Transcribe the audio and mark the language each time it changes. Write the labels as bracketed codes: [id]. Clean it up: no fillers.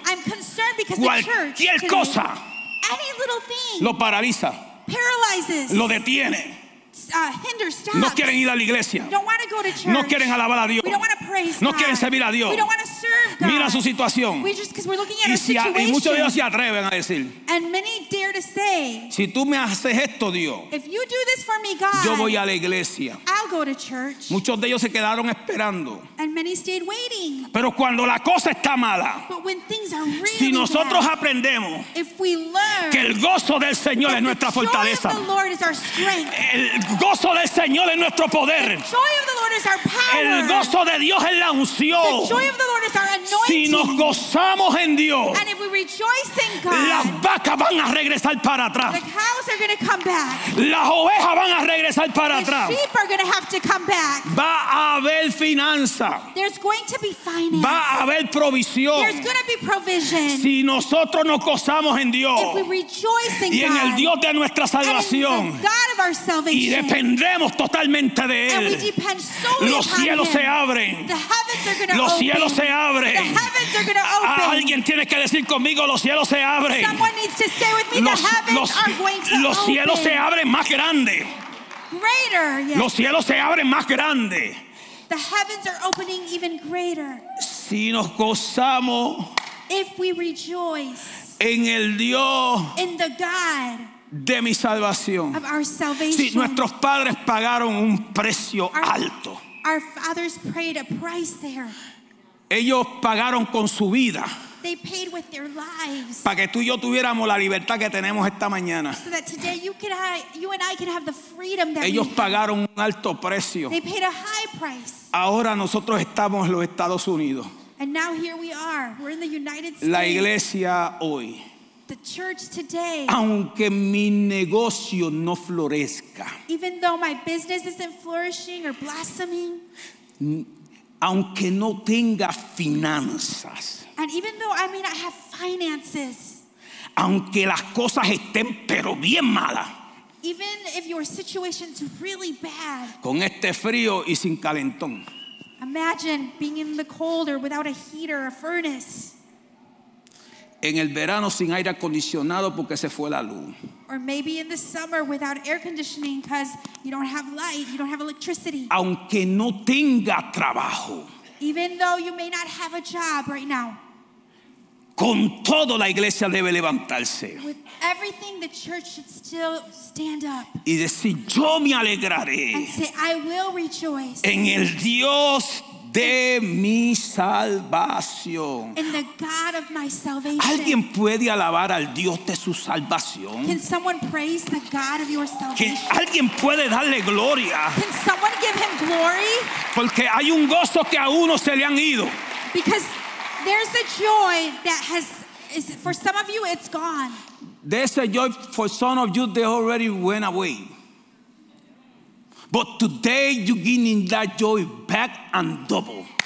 [en] I'm concerned because the church today. [es] Cualquier cosa. [en] Any little thing. [es] Lo paraliza. [en] Paralyzes. [es] Lo detiene. [en] Hinder stops. [es] No quieren ir a la iglesia. [en] Don't want to go to church. [es] No quieren alabar a Dios. [en] We don't want to praise [es] no [en] God. [es] Quieren servir a Dios. [en] We don't want to serve God. [es] Mira su situación. [en] We just because we're looking at our situation. [es] Y muchos de ellos se atreven a decir. [en] And many dare to say. [es] Si tú me haces esto, Dios. [en] If you do this for me, God. [es] Yo voy a la iglesia. [en] I'll go to church. [es] Muchos de ellos se quedaron esperando. [en] And many stayed waiting. [es] Pero cuando la cosa está mala. [en] But when things are really [es] si nosotros [en] bad, [es] aprendemos. [en] If we learn. [es] Que el gozo del Señor es nuestra fortaleza. [en] The joy of the Lord is our strength. [es] El gozo del Señor es nuestro poder. [en] The joy of the Lord is our power. [es] El gozo de Dios es la unción. [en] The joy of the Lord is our anointing. [es] Si nos gozamos en Dios. [en] And if we rejoice in God. [es] Las vacas van a regresar para atrás. [en] The cows are going to come back. [es] Las ovejas van a regresar para atrás. [en] The sheep are going to have to come back. [es] Va a haber finanza. [en] There's going to be finance. [es] Va a haber provisión. [en] There's going to be provision. [es] Si nosotros nos gozamos en Dios. [en] If we rejoice in [es] y Y en el Dios de nuestra salvación. [en] And in the God of our salvation. [es] Y dependemos totalmente de él. [en] And we depend solely [es] los cielos [en] upon him. [es] Se abren. [en] The heavens are gonna [es] los [en] open. [es] Cielos se abren. [en] The heavens are gonna open. [es] Alguien tiene que decir conmigo, los cielos se abren. [en] Someone needs to say with me, the heavens are going to [es] los [en] open. [es] Los cielos se abren más grande. [en] Greater, yes. [es] Los cielos se abren más grande. [en] The heavens are opening even greater. [es] Si nos gozamos. [en] If we rejoice. [es] En el Dios. [en] In the God. [es] De mi salvación. [en] Of our salvation. [es] Sí, nuestros padres pagaron un precio alto. [en] Our fathers paid a price there. [es] Ellos pagaron con su vida. [en] They paid with their lives. [es] Para que tú y yo tuviéramos la libertad que tenemos esta mañana. [en] So that today you and I can have the freedom that [es] ellos [en] we [es] pagaron un alto precio. [en] They paid a high price. [es] Ahora nosotros estamos en los Estados Unidos. [en] And now here we are. We're in the United States. [es] La iglesia hoy. [en] The church today. [es] Aunque mi negocio no florezca. [en] Even though my business isn't flourishing or blossoming. [es] Aunque no tenga finanzas. [en] And even though I may not have finances. [es] Aunque las cosas estén pero bien malas. [en] Even if your situation's really bad. [es] Con este frío y sin calentón. [en] Imagine being in the cold or without a heater or a furnace. [es] En el verano sin aire acondicionado porque se fue la luz. [en] Or maybe in the summer without air conditioning because you don't have light, you don't have electricity. [es] Aunque no tenga trabajo. [en] Even though you may not have a job right now. [es] Con todo la iglesia debe levantarse. [en] With everything the church should still stand up. [es] Y decir yo me alegraré. [en] And say I will rejoice. [es] En el Dios de mi salvación. [en] In the God of my salvation. [es] ¿Alguien puede alabar al Dios de su salvación? [en] Can someone praise the God of your salvation? [es] ¿Alguien puede darle gloria? [en] Can someone give him glory? [es] Porque hay un gozo que a uno se le han ido. [en] Because there's a joy that has, is, for some of you, it's gone. There's a joy for some of you, they already went away. But today you're getting that joy back and double.